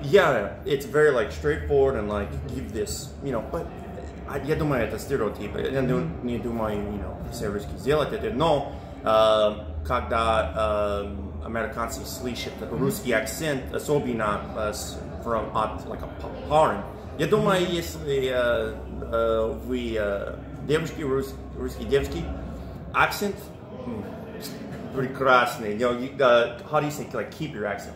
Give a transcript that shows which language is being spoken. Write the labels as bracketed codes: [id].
[en] Yeah, it's very like straightforward and like give this, you know. But [ru] я думаю это стереотип. Я не думаю, [en] you know, [ru] все русские сделают это. Но когда американцы слышат русский акцент, особенно [en] from [ru] от [en] like a parent. [ru] Я думаю, если вы девушки русские девушки, акцент прекрасный. [en] You know, how do you say like keep your accent?